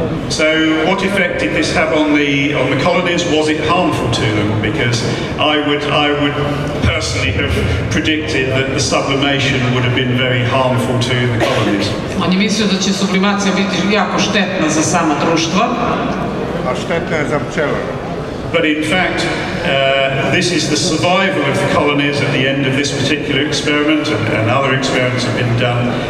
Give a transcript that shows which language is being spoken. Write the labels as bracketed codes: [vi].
[en] So what effect did this have on the colonies? Was it harmful to them? Because I would personally have predicted that the sublimation would have been very harmful to the colonies. [hr] On je mislio da će sublimacija biti jako štetna za samo društvo. A štetna je za pčele. [en] But in fact, this is the survival of the colonies at the end of this particular experiment, and other experiments have been done.